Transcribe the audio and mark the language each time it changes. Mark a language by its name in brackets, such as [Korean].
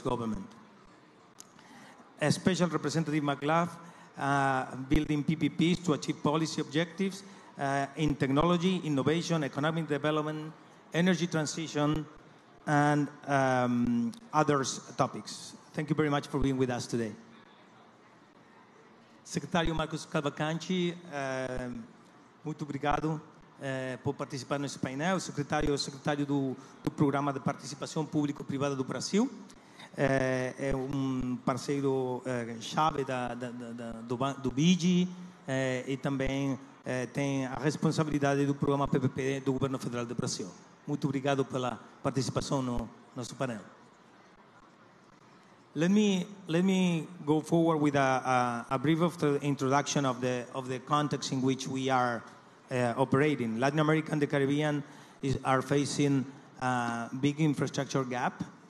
[English] government. A special representative McLaugh building PPPs to achieve policy objectives in technology, innovation, economic development, energy transition, and other topics. Thank you very much for being with us today. [Portuguese] Secretario Marcos Cavalcanti, muito obrigado por participar nesse painel. Secretário do Programa de Participação Público-Privada do Brasil. É parceiro chave do BID e também tem a responsabilidade do Programa PPP do Governo Federal do Brasil. Muito obrigado pela participação no nosso painel. [English] Let me go forward with a brief of the introduction of the context in which we are operating. Latin America and the Caribbean are facing a big infrastructure gap.